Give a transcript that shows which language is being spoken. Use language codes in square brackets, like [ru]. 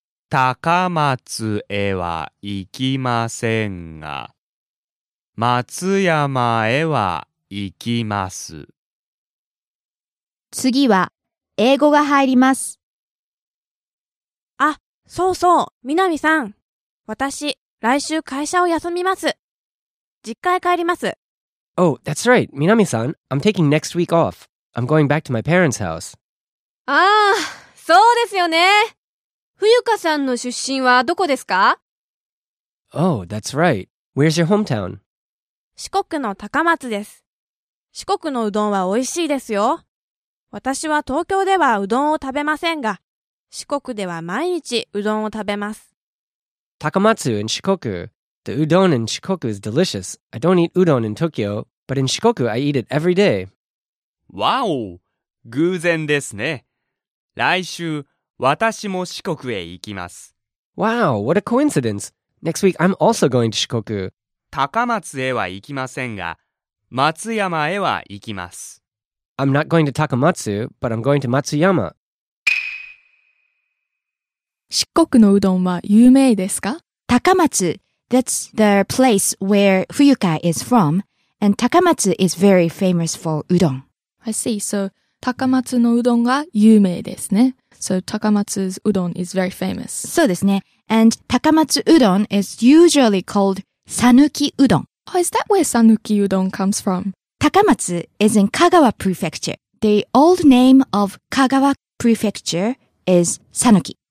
[ja] 高松へは行きませんが、松山へは行きます。次は英語が入ります。あ、そうそう、みなみさん。私、来週会社を休みます。実家へ帰ります。 [en] Oh, that's right, みなみさん。 I'm taking next week off. I'm going back to my parents' house. [ja] ああ、そうですよね。冬香さんの出身はどこですか？ [en] Oh, that's right. Where's your hometown? [ja] 四国の高松です。四国のうどんは美味しいですよ。私は東京ではうどんを食べませんが、四国では毎日うどんを食べます。 [en] 高松 in 四国。The udon in 四国 is delicious. I don't eat udon in Tokyo, but in 四国 I eat it every day. [ja] Wow! 偶然ですね。来週、私も四国へ行きます。 [en] Wow, what a coincidence. Next week, I'm also going to 四国。 [ja] 高松へは行きませんが、松山へは行きます。 [en] I'm not going to 高松, but I'm going to 松山。 [ja] 四国のうどんは有名ですか？ [en] 高松、that's the place where Fuyuka is from, and 高松 is very famous for うどん。 I see, so [ja] 高松のうどんが有名ですね。 [en] So, 高松 's udon is very famous. [ja] そうですね。 [en] And 高松 udon is usually called sanuki udon. Oh, is that where sanuki udon comes from? 高松 is in Kagawa Prefecture, The old name of Kagawa Prefecture is Sanuki.